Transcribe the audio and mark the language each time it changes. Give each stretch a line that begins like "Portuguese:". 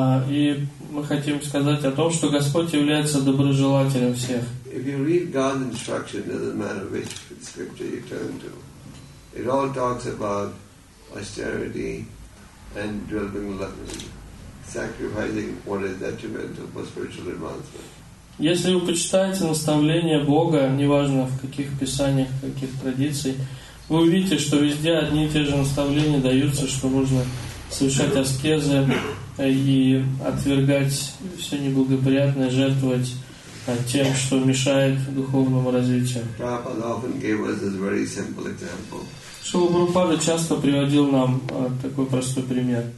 Russian: И мы хотим сказать о том, что Господь является доброжелателем всех.
English: If you read God's instruction, it doesn't matter which scripture you turn to. It all talks about austerity and developing luxury, sacrificing what is detrimental for spiritual advancement.
Russian: Если вы почитаете наставления Бога, неважно в каких писаниях, каких традициях, вы увидите, что везде одни и те же наставления даются, что нужно совершать аскезы и отвергать все неблагоприятное, жертвовать тем, что мешает духовному развитию.
English: Prabhupada often gave us this very simple example.
Russian: Шрила Прабхупада часто приводил нам такой простой пример.